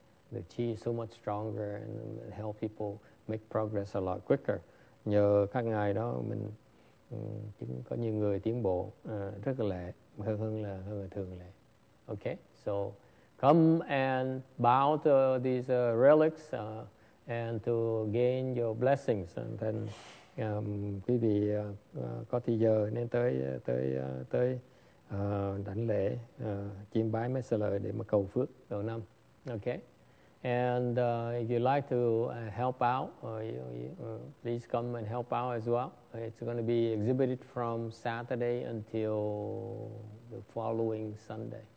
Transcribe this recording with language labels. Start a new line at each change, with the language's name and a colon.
English: The chi is so much stronger and help people make progress a lot quicker.
Vietnamese: Nhờ các ngài đó mình cũng có nhiều người tiến bộ rất là lẹ, hơn là thường lẹ.
English: Okay, so come and bow to these relics and to gain your blessings and then
Vietnamese: quý vị có thời giờ nên tới tới tới đảnh lễ chiêm bái Mẹ Sơ Lợi để mà cầu phước đầu năm.
English: Okay. And if you'd like to help out, please come and help out as well. It's going to be exhibited from Saturday until the following Sunday.